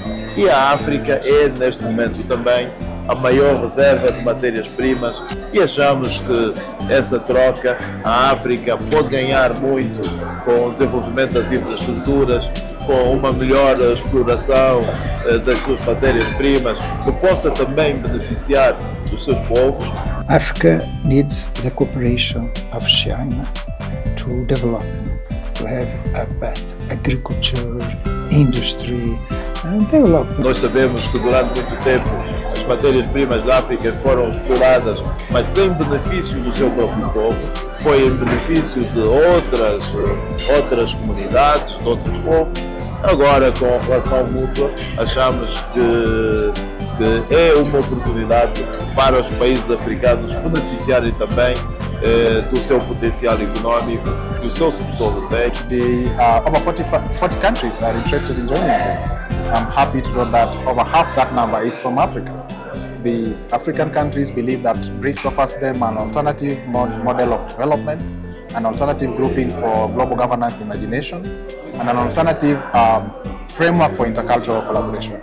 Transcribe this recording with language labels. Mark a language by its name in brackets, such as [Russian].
[English] And Africa is, at this moment, [Portuguese] também a maior reserva de matérias-primas e achamos que essa troca, a África pode ganhar muito com o desenvolvimento das infraestruturas, com uma melhor exploração das suas matérias-primas, que possa também beneficiar os seus povos. [English] Africa needs the cooperation of China to develop, to have a better agriculture, industry and develop. [Portuguese] Nós sabemos que durante muito tempo as matérias-primas da África foram exploradas, mas sem benefício do seu próprio povo, foi em benefício de outras comunidades, de outros povos. Agora, com a relação mútua, achamos que é uma oportunidade para os países africanos beneficiarem também do seu potencial económico, do seu subsolo técnico. [English] Over 40 countries are interested in joining BRICS. I'm happy to know that over half that number is from Africa. These African countries believe that BRICS offers them an alternative model of development, an alternative grouping for global governance imagination, and an alternative framework for intercultural collaboration.